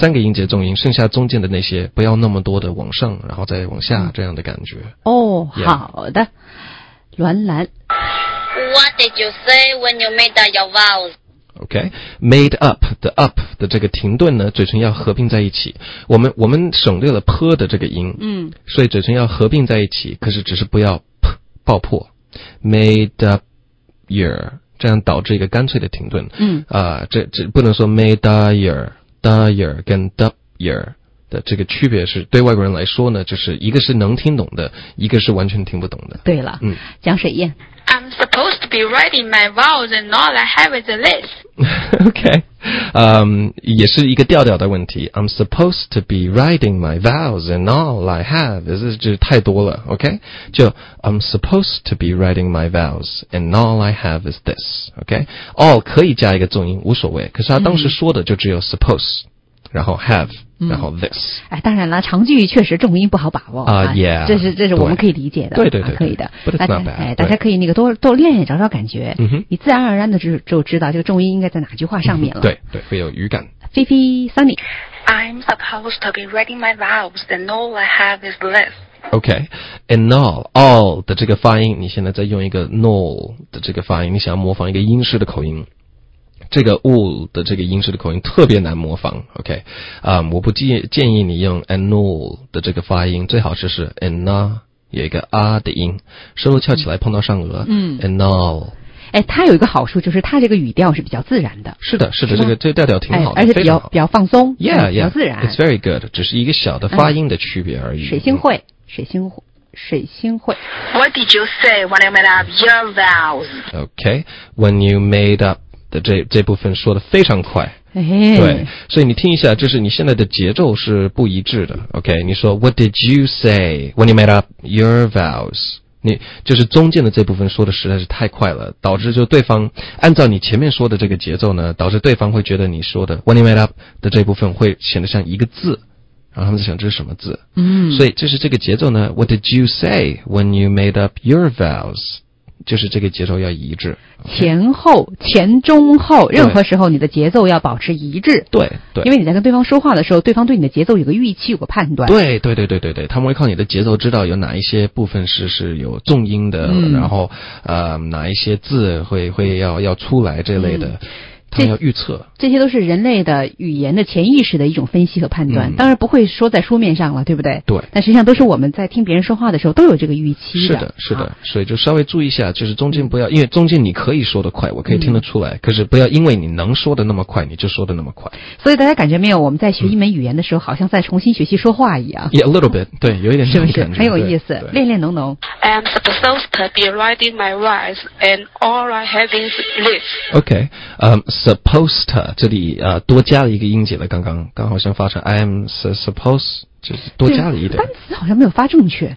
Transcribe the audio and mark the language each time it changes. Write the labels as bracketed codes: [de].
[zh] 三个音节重音剩下中间的那些不要那么多的往上然后再往下、嗯、这样的感觉哦、 [en] yeah. [zh] 好的栾兰 [en] What did you say when you made your vows? [zh] OK, made up 的 up 的这个停顿呢，嘴唇要合并在一起。我们省略了 p 的这个音，嗯，所以嘴唇要合并在一起，可是只是不要 p 爆破。 Made up your 这样导致一个干脆的停顿，嗯，这不能说 made up your da your 跟 dub your 的这个区别是对外国人来说呢，就是一个是能听懂的，一个是完全听不懂的。对了，嗯，江水燕。 [en] I'm supposed to be writing my vows and all I have is a list. [zh] okay. 也是一个调调的问题。 [en] I'm supposed to be writing my vows and all I have. [zh] 这是太多了 ,OK? [en] 就 I'm supposed to be writing my vows and all I have is this,OK?、Okay? [zh] All 可以加一个重音无所谓。可是他当时说的就只有 suppose,、嗯、然后 have,、嗯、然后 this. 哎，当然了，长句确实重音不好把握。 [en] Yeah, [zh] 这是我们可以理解的。对对 对, 对、啊。可以的。 [en] But it's not bad. [zh] 大家可以那个多练练找找感觉。嗯、你自然而然的 就知道这个重音应该在哪句话上面了。对对，会有语感。菲菲 ,Sunny。 [en] I'm supposed to be writing my vows and all I have is this. [zh] Okay, and all 的这个发音，你现在在用一个 null 的这个发音，你想要模仿一个英式的口音，这个 all 的这个英式的口音特别难模仿。 Okay, 啊、我不建议你用 and all 的这个发音，最好是 and a 有一个 a 的音，舌头翘起来碰到上颚。嗯 [en] ，and all。 [zh] 哎，它有一个好处，就是它这个语调是比较自然的。是的，是的，是这个调调挺好的，而且比较放松 [en] ，yeah yeah， [zh] 比较自然。 [en] It's very good， [zh] 只是一个小的发音的区别而已。水星会。水星会 [en] What did you say when I made up your vows? [zh] Okay, [en] when you made up [zh] 的这部分说的非常快、哎、对，所以你听一下，就是你现在的节奏是不一致的。 [en] Okay, [zh] 你说 [en] What did you say when you made up your vows? [zh] 你就是中间的这部分说的实在是太快了，导致就对方按照你前面说的这个节奏呢，导致对方会觉得你说的 [en] When you made up [zh] 的这部分会显得像一个字，然后他们就想这是什么字。嗯，所以这是这个节奏呢。 [en] What did you say when you made up your vows? [zh] 就是这个节奏要一致。Okay? 前后、前中后，任何时候你的节奏要保持一致。对对。因为你在跟对方说话的时候，对方对你的节奏有个预期、有个判断。对对对对对对，他们会靠你的节奏知道有哪一些部分是有重音的，嗯、然后哪一些字会要出来这类的。嗯，他要预测，这些都是人类的语言的潜意识的一种分析和判断、嗯、当然不会说在书面上了，对不对？对，但实际上都是我们在听别人说话的时候都有这个预期的。是的，是的，所以就稍微注意一下，就是中间不要，因为中间你可以说得快，我可以听得出来、嗯、可是不要因为你能说得那么快你就说得那么快。所以大家感觉没有，我们在学一门语言的时候、嗯、好像在重新学习说话一样。 Yeah, [en] a little bit。 [zh] 对，有一点这种感觉，是不是很有意思？练练浓浓。 [en] I'm supposed to be writing my rise and all I have is this. [zh] Okay, supposed to, 这里多加了一个音节了，刚刚好像发成 [en] I am supposed, [zh] 就是多加了一点。单词好像没有发正确。